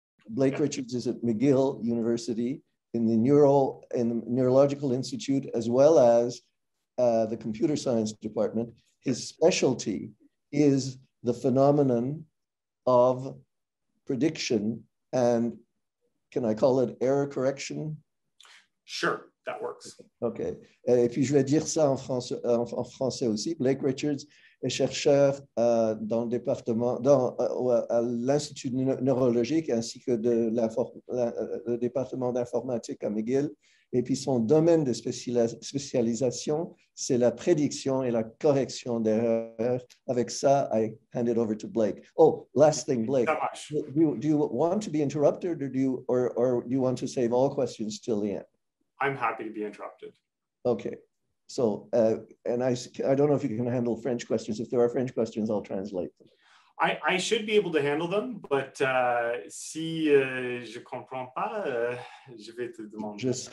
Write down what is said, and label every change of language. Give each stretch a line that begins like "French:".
English: Blake Richards is at McGill University in the Neurological Institute, as well as the computer science department. His specialty is the phenomenon of prediction and, can I call it, error correction? Sure, that works. Okay.
French: Et puis je vais dire ça en français aussi. Blake Richards est chercheur dans le département, à l'Institut neurologique ainsi que de le département d'informatique à McGill. Et puis son domaine de spécialisation, c'est la prédiction et la correction d'erreurs. Avec ça,
English: I hand it over to Blake. Oh, last thing, Blake. Do you want to be interrupted, or do you want to save all questions till the end? I'm happy to be interrupted. Okay. So, and I don't know if you can handle French questions. If there are French questions, I'll translate them. I should be able to handle them, but
French: si je comprends pas, je vais te demander.